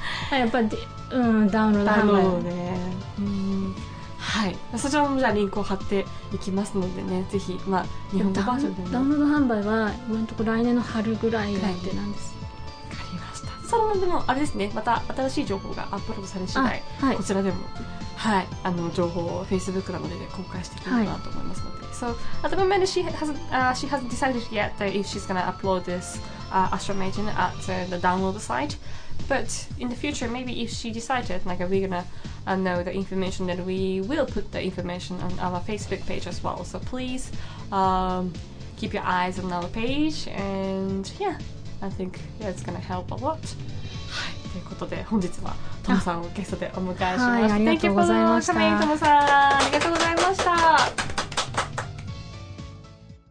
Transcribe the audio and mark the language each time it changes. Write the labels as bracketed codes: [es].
[ja] やっぱり、うん、ダウンロード販売、ね、はい、そちらもじゃあリンクを貼っていきますのでね、ぜひ、まあ、日本語バージョンでダウンロード販売は今のところ来年の春ぐらいなんです。わかりました。それもでもあれですね、また新しい情報がアップロードされ次第、はい、こちらでも、はい、あの情報を Facebook などで公開していくかなと思いますので、はい、 [en] So at the moment she hasn't decided yet that if she's gonna upload this Astro Maiden at the download site, but in the future maybe if she decided like we're gonna know the information, then we will put the information on our Facebook page as well. So please keep your eyes on our page, and yeah, I think that's gonna help a lot. [ja] はい、ということで本日はトモさんをゲストでお迎えしました。はい、ありがとうございました。トモさん、ありがとうございました。